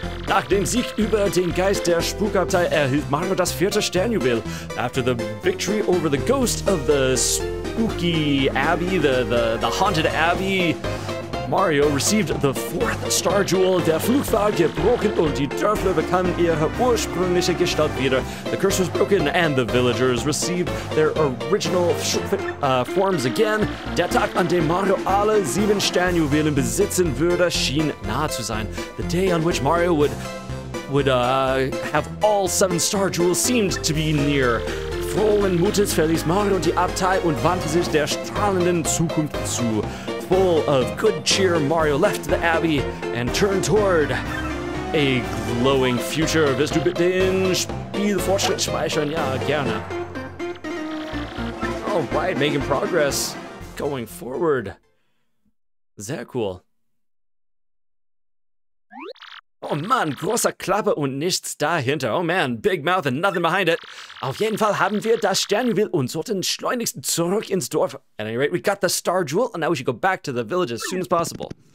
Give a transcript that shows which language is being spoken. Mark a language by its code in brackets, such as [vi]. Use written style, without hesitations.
[de] Nach dem Sieg über den Geist der Spukabtei erhielt Mario das vierte Sternjuwel. [en] After the victory over the ghost of the spooky abbey, the haunted abbey, Mario received the fourth Star Jewel. [de] Der Fluch war gebrochen und die Dörfler bekamen ihre ursprüngliche Gestalt wieder. [en] The curse was broken and the villagers received their original forms again. [de] Der Tag, an dem Mario alle sieben Sternjuwelen besitzen würde, schien nahe zu sein. [en] The day on which Mario would have all seven Star Jewels seemed to be near. [de] Frohen Mutes verließ Mario die Abtei und wandte sich der strahlenden Zukunft zu. [en] Full of good cheer, Mario left the abbey and turned toward a glowing future. [de] Willst du bitte den Spielfortschritt speichern? Ja, gerne. [en] All right, making progress going forward. [de] Sehr cool. Oh man, großer Klappe und nichts dahinter. [en] Oh man, big mouth and nothing behind it. [de] Auf jeden Fall haben wir das Sternjuwel und sollten schleunigst zurück ins Dorf. [en] At any rate, we got the Star Jewel and now we should go back to the village as soon as possible.